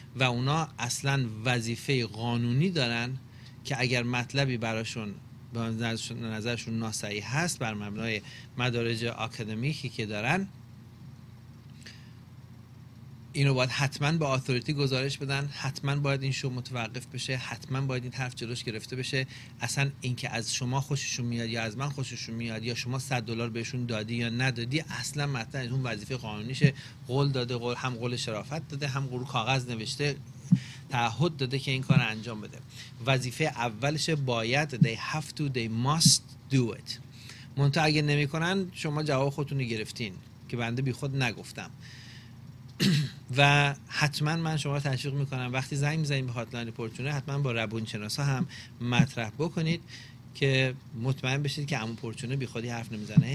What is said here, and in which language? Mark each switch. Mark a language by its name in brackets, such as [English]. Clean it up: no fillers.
[Persian] و اونا اصلا وظیفه قانونی دارن که اگر مطلبی براشون به نظرشون ناسعی هست بر مبنای مدارج آکادمیکی که دارن، اینو باید حتما به اتوریتی گزارش بدن، حتما باید این شو متوقف بشه، حتما باید این طرف جلوش گرفته بشه. اصلا اینکه از شما خوششون میاد یا از من خوششون میاد یا شما $100 بهشون دادی یا ندادی، اصلا مطلب اون وظیفه قانونیشه. قول داده، قول، هم قول شرافت داده، هم قول کاغذ نوشته، تعهد داده که این کار انجام بده. وظیفه اولش باید [English] they have to, they must do it. [Persian] منطقه اگه نمی کنن شما جواب خودتونو گرفتین که بنده بی خود نگفتم. و حتما من شما تشویق میکنم وقتی زنگ میزنید به هاتلاین پرچونه حتما با روانشناسا هم مطرح بکنید که مطمئن بشید که عمو پرچونه بی خودی حرف نمیزنه.